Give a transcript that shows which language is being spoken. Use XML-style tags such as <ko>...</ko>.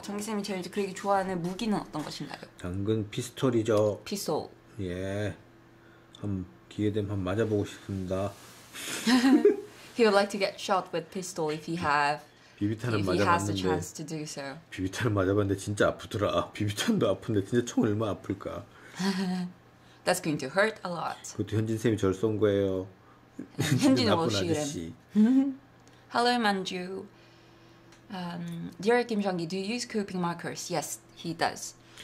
<ko>정기 쌤이 제일 그리기 좋아하는 무기는 어떤 것인가요? 당근 피스톨이죠. 피스톨. 예. 한 기회 되면 한 맞아보고 싶습니다.</ko> <en>He would like to get shot with pistol if he have.</en> <ko>비비탄은</ko> <en>if he</en> <ko>맞아봤는데.</ko> <en>Has the chance to do so.</en> <ko>비비탄은 맞아봤는데 진짜 아프더라. 비비탄도 아픈데 진짜 총 얼마나 아플까?</ko> <en>That's going to hurt a lot.</en> <ko>그것도 현진 쌤이 저를 쏜 거예요.</ko> <en>현진 will shoot him. Hello, Manju. Dear Kim Jeonggi, do you use Copic markers? Yes, he does.</en>